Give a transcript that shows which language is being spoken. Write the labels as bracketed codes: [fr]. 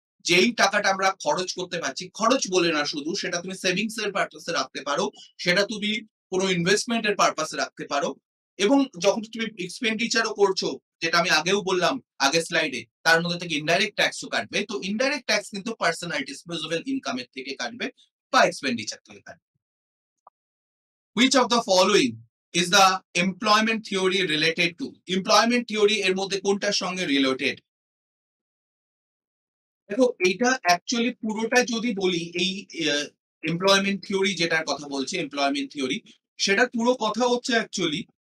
[bn] যেই টাকাটা আমরা খরচ করতে পারছি, খরচ বলে না শুধু, সেটা তুমি সেভিংস এর পারপাসে রাখতে পারো, সেটা তুমি কোনো ইনভেস্টমেন্টের পারপাসে রাখতে পারো, এবং যখন তুমি এক্সপেন্ডিচারও করছো যেটা আমি আগেও বললাম আগে স্লাইডে, তার মধ্যে থেকে ইনডাইরেক্ট ট্যাক্সও কাটবে, তো ইনডাইরেক্ট ট্যাক্স কিন্তু পার্সোনাল ডিসপোজেবল ইনকামের থেকে কাটবে বা এক্সপেন্ডিচার থেকে কাটবে। [en] Which of the following is the employment theory related to? [bn] Employment theory এর মধ্যে কোনটার সঙ্গে related? দেখো এইটা actually পুরোটা যদি বলি, এই employment theory যেটার কথা বলছি, employment theory সেটা পুরো কথা হচ্ছে actually